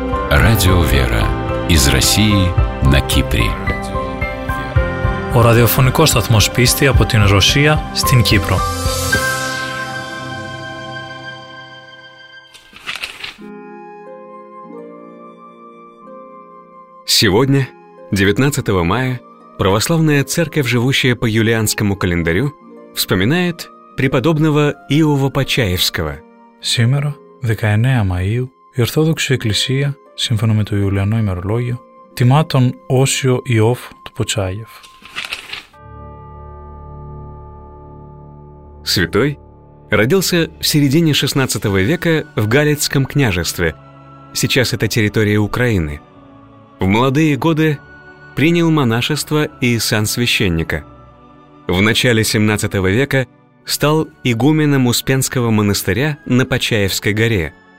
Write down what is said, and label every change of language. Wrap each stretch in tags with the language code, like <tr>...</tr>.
<ru>Радио Вера из России на Кипре.</ru> <el>Ο ραδιοφωνικός σταθμός πίστη από την Ρωσία στην Κύπρο.</el> <ru>Сегодня, 19 мая, православная церковь, живущая по юлианскому календарю, вспоминает преподобного Иова Почаевского. Сегодня, 19 мая,</ru> <el>Ορθόδοξη Εκκλησία, σύμφωνα με το Ιουλιανό ημερολόγιο, τιμά τον Όσιο Ιώφ του Ποτσάγεφ.</el> <ru>Святой родился в середине 16 века в Галицком княжестве, сейчас это территория Украины. В молодые годы принял монашество и сан священника. В начале 17 века стал игуменом Успенского монастыря на Почаевской горе.</ru>